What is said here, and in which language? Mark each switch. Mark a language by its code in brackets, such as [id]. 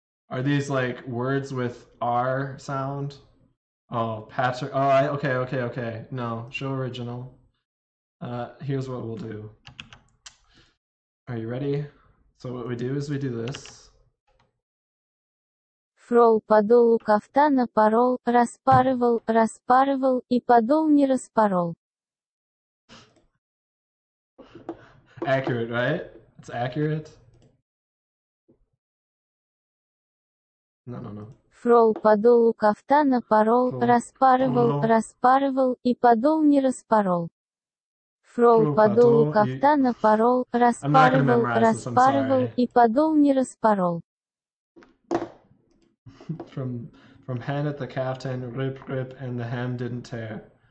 [en] Are these like words with R sound? Oh, Patrick. Oh, okay. No, show original. Here's what we'll do. Are you ready? So what we do is we do this. [ru] Фрол подолу кафтана порол, распарывал, распарывал, и подол не распорол. [en] Accurate, right? It's accurate. No. [ru] Фрол подолу кафтана порол, распарывал, распарывал, и подол не распорол. Фрол подолу кафтана порол, распарывал, распарывал, и подол не распорол. [en] From hen at the caftan, rip, rip, and the hem didn't tear.